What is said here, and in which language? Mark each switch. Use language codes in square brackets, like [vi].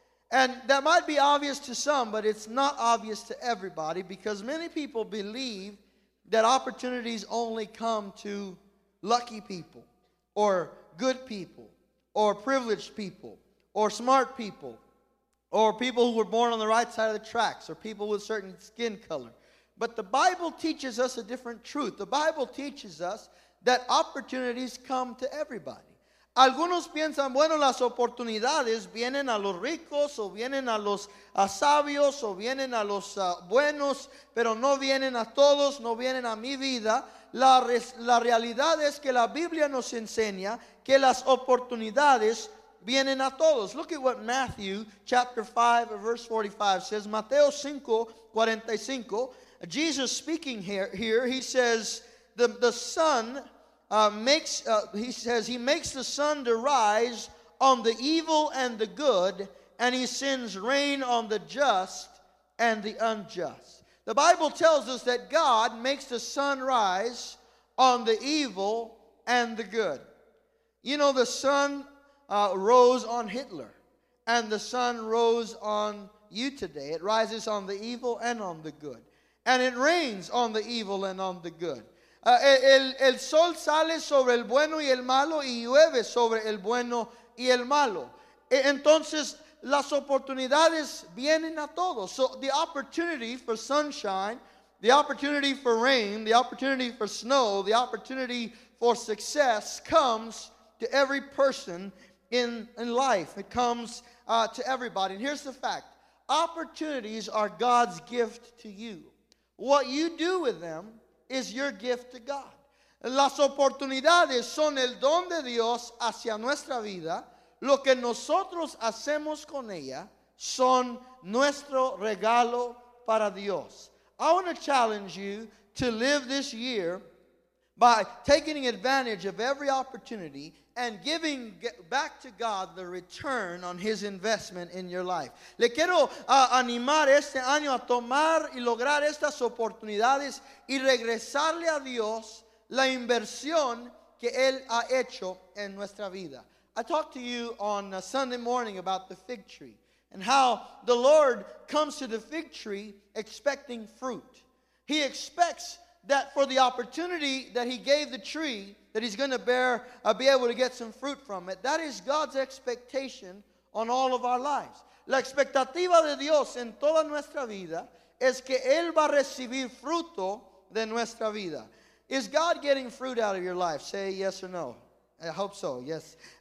[en] And that might be obvious to some, but it's not obvious to everybody because many people believe that opportunities only come to lucky people or good people or privileged people or smart people or people who were born on the right side of the tracks or people with certain skin color. But the Bible teaches us a different truth. The Bible teaches us that opportunities come to everybody. [es] Algunos piensan, bueno, las oportunidades vienen a los ricos o vienen a los sabios o vienen a los buenos, pero no vienen a todos, no vienen a mi vida. La realidad es que la Biblia nos enseña que las oportunidades vienen a todos. [en] Look at what Matthew chapter 5, verse 45 says. Mateo 5:45, Jesus speaking here, he says, the son... He makes the sun to rise on the evil and the good, and He sends rain on the just and the unjust. The Bible tells us that God makes the sun rise on the evil and the good. You know, the sun rose on Hitler, and the sun rose on you today. It rises on the evil and on the good, and it rains on the evil and on the good. [es] El sol sale sobre el bueno y el malo y llueve sobre el bueno y el malo. Entonces, las oportunidades vienen a todos. [en] So the opportunity for sunshine, the opportunity for rain, the opportunity for snow, the opportunity for success comes to every person in life. It comes to everybody. And here's the fact. Opportunities are God's gift to you. What you do with them is your gift to God. [es] Las oportunidades son el don de Dios hacia nuestra vida. Lo que nosotros hacemos con ella son nuestro regalo para Dios. [en] I want to challenge you to live this year by taking advantage of every opportunity and giving back to God the return on His investment in your life. [es] Le quiero animar este año a tomar y lograr estas oportunidades y regresarle a Dios la inversión que Él ha hecho en nuestra vida. [en] I talked to you on a Sunday morning about the fig tree and how the Lord comes to the fig tree expecting fruit. He expects that for the opportunity that He gave the tree, that He's going to be able to get some fruit from it. That is God's expectation on all of our lives. [es] La expectativa de Dios en toda nuestra vida es que Él va a recibir fruto de nuestra vida. [en] Is God getting fruit out of your life? Say yes or no. I hope so, yes.